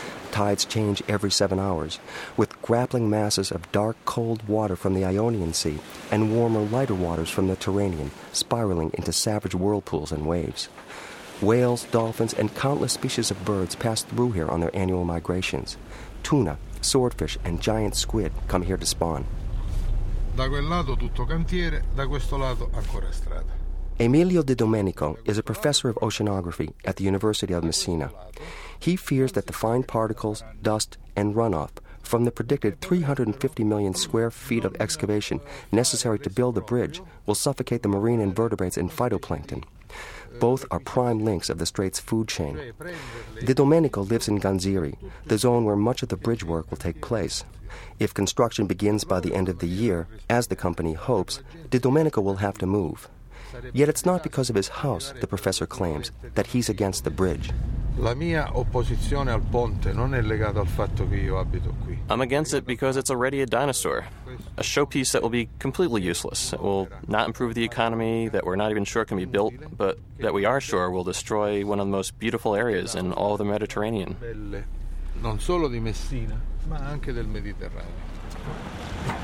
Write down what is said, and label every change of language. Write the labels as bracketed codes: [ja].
[en] Tides change every 7 hours, with grappling masses of dark, cold water from the Ionian Sea and warmer, lighter waters from the Mediterranean spiraling into savage whirlpools and waves. Whales, dolphins, and countless species of birds pass through here on their annual migrations. Tuna, swordfish and giant squid come here to spawn. [it] Da quel lato tutto cantiere, da questo lato ancora strada. [en] Emilio De Domenico is a professor of oceanography at the University of Messina. He fears that the fine particles, dust, and runoff from the predicted 350 million square feet of excavation necessary to build the bridge will suffocate the marine invertebrates and phytoplankton. Both are prime links of the Straits' food chain. De Domenico lives in Ganziri, the zone where much of the bridge work will take place. If construction begins by the end of the year, as the company hopes, De Domenico will have to move. Yet it's not because of his house, the professor claims, that he's against the bridge. [it] La mia opposizione al ponte non è legata al fatto che io abito qui. [en] I'm against it because it's already a dinosaur, a showpiece that will be completely useless. It will not improve the economy, that we're not even sure can be built, but that we are sure will destroy one of the most beautiful areas in all of the Mediterranean. [it] Non solo di Messina, ma anche del Mediterraneo.